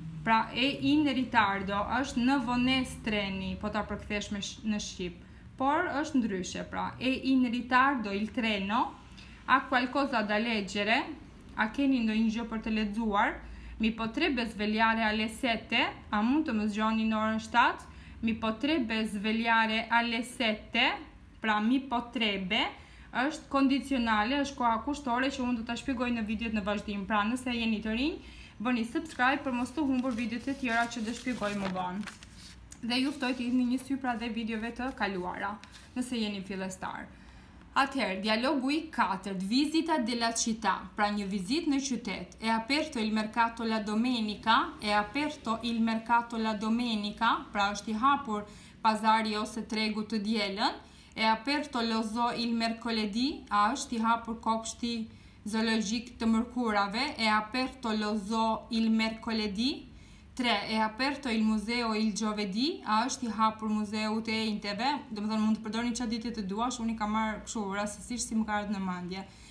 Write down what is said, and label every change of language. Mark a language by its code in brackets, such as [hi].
[sq] Pra, [it] e in ritardo [sq] është në vones treni, po ta përkthesh në shqip. Por është ndryshe, pra, [it] e in ritardo il treno. Ha qualcosa da leggere? [sq] A keni ndonjë gjë për të lexuar? [it] Mi potrebbe svegliare alle 7? [sq] A mund të më zgjoni në orën 7? [it] Mi potrebbe svegliare alle 7? [sq] Pra, mi potrebbe është kondicionale, është koha kushtore që unë do ta shpjegoj në videot në vazhdim. Pra, nëse jeni të rinj, bëni subscribe për mos të humbur videot e tjera që do shpjegoj më vonë. Dhe ju ftoj të jeni një sy pra dhe videove të kaluara, nëse jeni fillestar. Atëherë, dialogu i 4, vizita della città, pra një vizit në qytet. [it] È aperto il mercato la domenica? È aperto il mercato la domenica? [sq] Pra është i hapur pazari ose tregu të diellën. [it] È aperto lo zoo il mercoledì? [sq] A është i hapur kopshti zoologjik të mërkurave? [it] È aperto lo zoo il mercoledì? 3. È aperto il museo il giovedì? [sq] A është i hapur muzeu të enjteve? Do më thënë mund të përdorni qa ditë të duash, unë i ka marrë kështu, rastësisht si më ka ardhë në mandje.